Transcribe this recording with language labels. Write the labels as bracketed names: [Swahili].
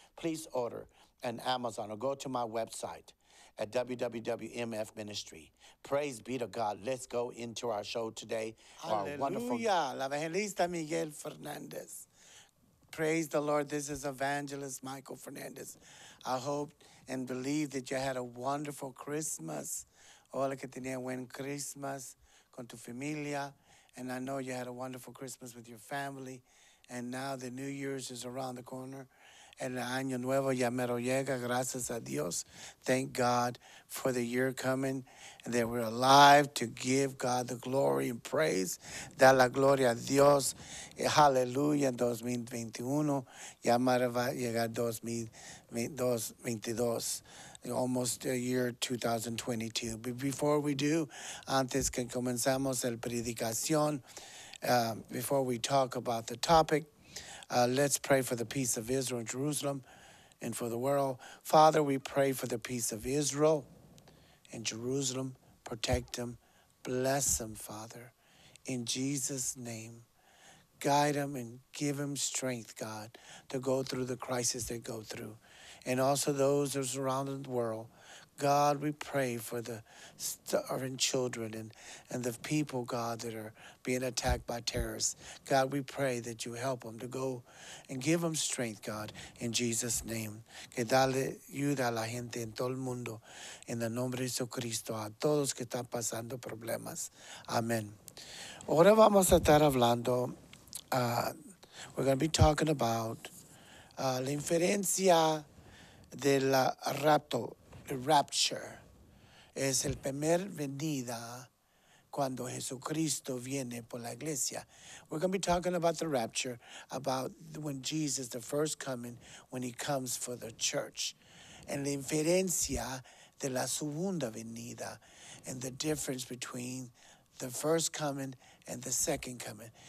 [English] Please order on Amazon or go to my website at WWMF Ministry. Praise be to God. Let's go into our show today. Hallelujah. [Spanish] La Evangelista [English] Miguel Fernandez. Praise the Lord. This is Evangelist Michael Fernandez. I hope and believe that you had a wonderful Christmas. [Spanish] Hola, que tenía buen Christmas con tu familia. [English] And I know you had a wonderful Christmas with your family. And now the New Year's is around the corner. [Spanish] El año nuevo ya mero llega, gracias a Dios. [English] Thank God for the year coming and that we're alive to give God the glory and praise. [Spanish] Da la gloria a Dios. Hallelujah, 2021. Ya mero va a llegar 2022. [English] Almost a year 2022. But before we do, [Spanish] antes que comenzamos el predicación, [English] before we talk about the topic, let's pray for the peace of Israel and Jerusalem and for the world. Father, we pray for the peace of Israel and Jerusalem. Protect them. Bless them, Father. In Jesus' name, guide them and give them strength, God, to go through the crisis they go through. And also those that are surrounding the world. God, we pray for the starving children and the people, God, that are being attacked by terrorists. God, we pray that you help them to go and give them strength, God, in Jesus' name. [Spanish] Que dale ayuda a la gente en todo el mundo, en el nombre de Jesucristo, a todos que están pasando problemas. Amen. Ahora vamos a estar hablando, [English] we're going to be talking about [Spanish] la inferencia del rapto. Rapture es el primer venida cuando Jesucristo viene por la iglesia. We're going to be talking about the rapture, about when Jesus, the first coming, when he comes for the church. [English] And [Spanish] la inferencia de la segunda venida [English] and the difference between the first coming and the second coming.